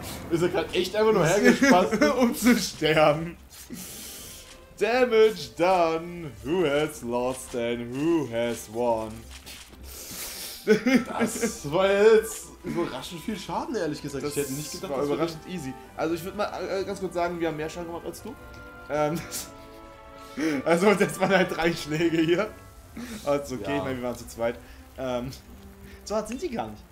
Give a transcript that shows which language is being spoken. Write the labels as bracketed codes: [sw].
[de] Ist er gerade echt einfach nur hergespannt? Um zu sterben. Damage done. [en] Who has lost and who has won? [de] Das war jetzt überraschend viel Schaden, ehrlich gesagt. Das ich hätte nicht gedacht, war überraschend easy. Also ich würde mal ganz kurz sagen, wir haben mehr Schaden gemacht als du. Also das waren halt drei Schläge hier. Also okay, ja. Ich meine, wir waren zu zweit. So hart sind sie gar nicht.